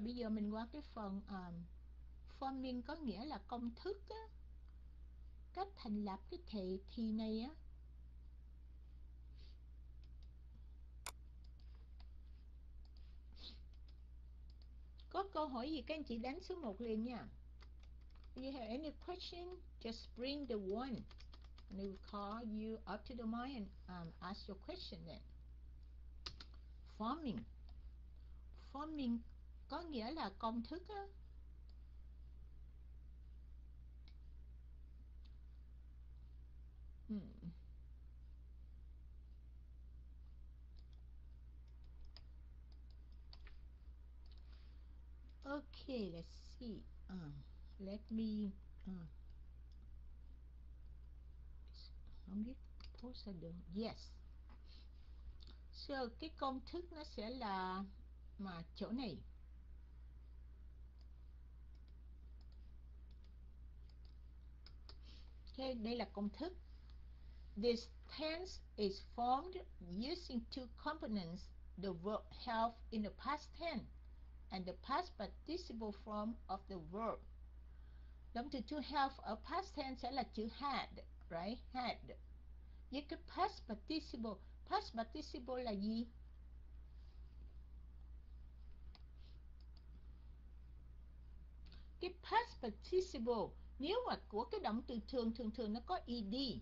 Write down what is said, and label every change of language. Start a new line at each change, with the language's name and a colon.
Vietnamese: Bây giờ mình qua cái phần forming có nghĩa là công thức á, cách thành lập cái thể thì này á. Có câu hỏi gì các anh chị đánh số 1 liền nha.
English: If you have any question, just bring the one. And they will call you up to the mic and ask your question then. Forming.
Vietnamese: Forming có nghĩa là công thức á.
English: Okay, let's see. Let me
Vietnamese: không biết post ra được.
English: Yes.
Vietnamese: So, cái công thức nó sẽ là mà chỗ này. Okay, đây là công thức.
English: This tense is formed using two components, the verb have in the past tense and the past participle form of the verb.
Vietnamese: Động từ to have ở past tense sẽ là chữ had, right? Had. Với cái past participle là gì? Cái past participle, nếu mà của cái động từ thường, thường thường nó có ed.